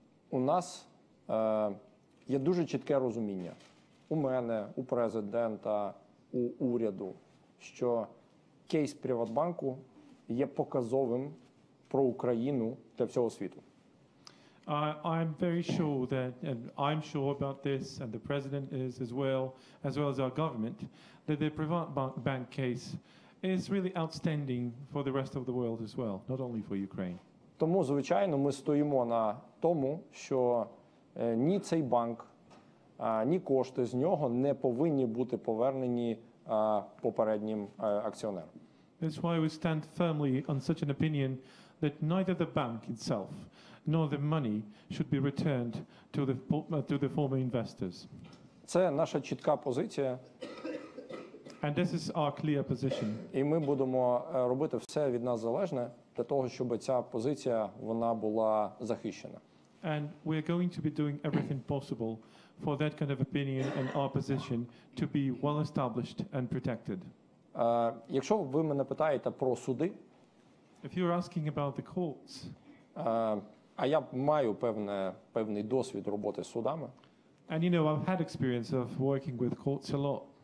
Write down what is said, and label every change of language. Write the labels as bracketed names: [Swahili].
[Ukrainian] У нас є дуже чітке розуміння у мене, у президента, у уряду, що кейс PrivatBank'у є показовим про Україну для всього світу. [English] I'm very sure that, and I'm sure about this, and the president is as well as our government, that the PrivatBank case is really outstanding for the rest of the world as well, not only for Ukraine. [Ukrainian] Тому, звичайно, ми стоїмо на тому, що ні цей банк, ні кошти з нього не повинні бути повернені попереднім акціонерам. [English] That's why we stand firmly on such an opinion that neither the bank itself nor the money should be returned to the former investors. [Ukrainian] Це наша чітка позиція. [English] And this is our clear position. [Ukrainian] І ми будемо робити все від нас залежне для того, щоб ця позиція вона була захищена. [English] And we are going to be doing everything possible for that kind of opinion and our position to be well established and protected. [Ukrainian] Якщо ви мене питаєте про суди, [English] if you're asking about the courts, [Ukrainian] а я маю певний досвід роботи з судами, [English] and you know, I've had experience of working with courts a lot,